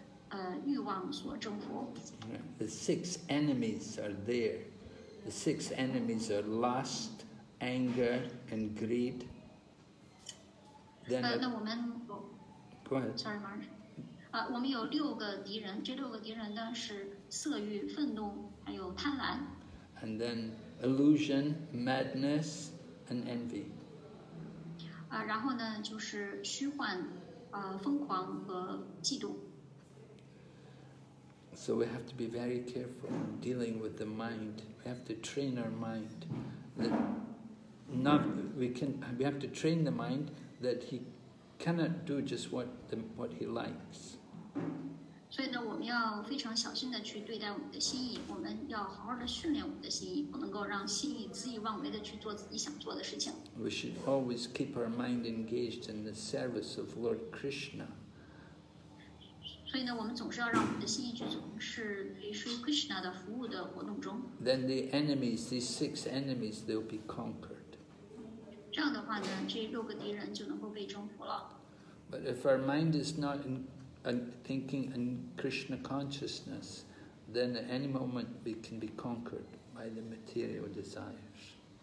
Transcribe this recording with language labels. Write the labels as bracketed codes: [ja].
[en] The six enemies are there. The six enemies are lust, anger, and greed. Sorry, Mark. [zh] 我们有六个敌人，这六个敌人呢是色欲、愤怒，还有贪婪。 [en] And then illusion, madness, and envy. [zh] 然后呢就是虚幻、疯狂和嫉妒。 [en] So we have to be very careful in dealing with the mind. We have to train our mind that we have to train the mind that he. Cannot do just what he likes. [zh] 所以呢，我们要非常小心的去对待我们的心意。我们要好好的训练我们的心意，不能够让心意恣意妄为的去做自己想做的事情。 [en] We should always keep our mind engaged in the service of Lord Krishna. [zh] 所以呢，我们总是要让我们的心意去从事对师父 Krishna 的服务的活动中。 [en] Then the enemies, these six enemies, they'll be conquered. [zh] 这样的话呢，这六个敌人就能够被征服了。 [en] But if our mind is not in thinking in Krishna consciousness, then at any moment we can be conquered by the material desires.